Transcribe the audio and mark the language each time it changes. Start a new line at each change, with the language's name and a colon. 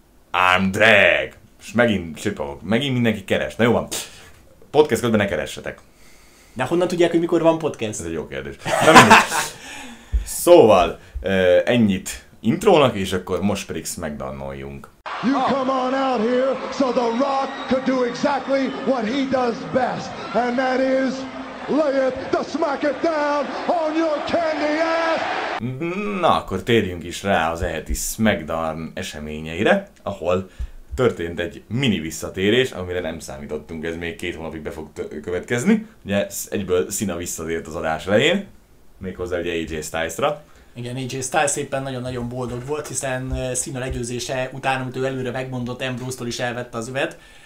Hungarian: Arm drag. És megint csipogok. Megint mindenki keres. Na jó van. Podcast közben ne keressetek. De honnan tudják, hogy mikor van podcast? Ez egy jó kérdés. Na mindig. Szóval, ennyit intrónak, és akkor most pedig SmackDown-oljunk.
English: You come on out here so The Rock could do exactly what he does best, and that is lay it the smack it down on your candy ass.
Hungarian: Na, akkor térjünk is rá az eheti SmackDown eseményeire, ahol történt egy mini visszatérés, amire nem számítottunk, ez még két hónapig be fog következni. Ugye egyből Cena visszatért az adás elején, méghozzá ugye AJ Styles-ra. Igen, AJ Styles éppen nagyon-nagyon boldog volt, hiszen Cena legyőzése után, amit ő előre megmondott, Ambrose-tól is elvette az üvet.